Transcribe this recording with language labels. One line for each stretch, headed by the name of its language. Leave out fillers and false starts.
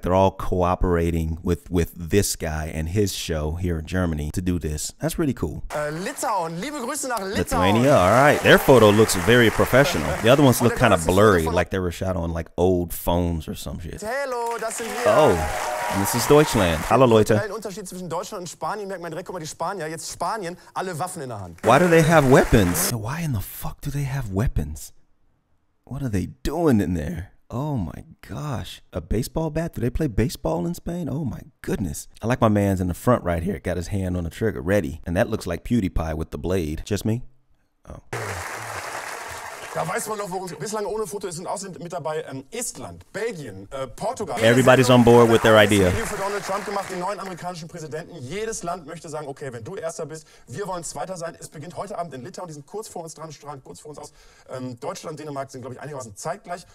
English: Like they're all cooperating with this guy and his show here in Germany to do this. That's really cool.
German: Litauen, liebe Grüße nach Litauen.
English: Lithuania, all right. Their photo looks very professional. The other ones look kind of blurry, like they were shot on like old phones or some shit.
German: Hello, das sind wir.
English: Oh. And this is Deutschland. Hallo Leute.
German: Der Unterschied zwischen Deutschland und Spanien merkt man direkt, guck mal, die Spanier, jetzt Spanien, alle Waffen in der Hand.
English: Why do they have weapons? Why in the fuck do they have weapons? What are they doing in there? Oh my gosh. A baseball bat? Do they play baseball in Spain? Oh my goodness. I like my man's in the front right here. Got his hand on the trigger, ready. And that looks like PewDiePie with the blade. Just me? Oh.
German: Da weiß man noch, worum es bislang ohne Foto ist, und außerdem mit dabei Estland, Belgien, Portugal.
English: Everybody's on board with their idea.
German: Wir haben ein Video für Donald Trump gemacht, den neuen amerikanischen Präsidenten. Jedes Land möchte sagen, okay, wenn du Erster bist, wir wollen Zweiter sein. Es beginnt heute Abend in Litauen, die sind kurz vor uns dran, strahlen kurz vor uns aus. Deutschland, Dänemark sind, glaube ich, einigermaßen zeitgleich.